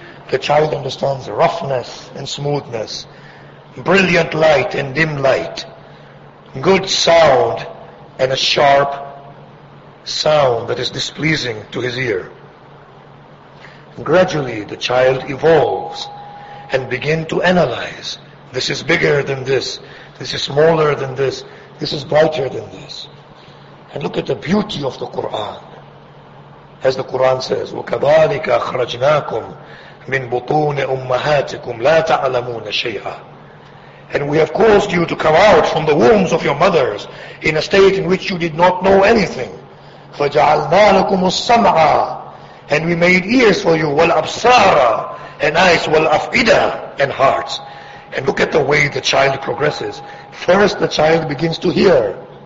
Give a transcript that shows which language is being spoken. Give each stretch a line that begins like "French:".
English: The child understands roughness and smoothness, brilliant light and dim light, good sound and a sharp sound that is displeasing to his ear. Gradually the child evolves and begin to analyze. This is bigger than this. This is smaller than this. This is brighter than this. And look at the beauty of the Quran. As the Quran says,
Arabic: وَكَذَلِكَ أَخْرَجْنَاكُمْ مِنْ بُطُونِ أُمَّهَاتِكُمْ لَا تَعْلَمُونَ شَيْئًا.
English: And we have caused you to come out from the wombs of your mothers in a state in which you did not know anything.
Arabic: فَجَعَلْنَا لَكُمُ السَّمْعَى.
English: And we made ears for you,
Arabic: وَالْأَبْصَارَ.
English: And eyes,
Arabic: وَالْأَفْئِدَ.
English: And hearts. And look at the way the child progresses. First the child begins to hear.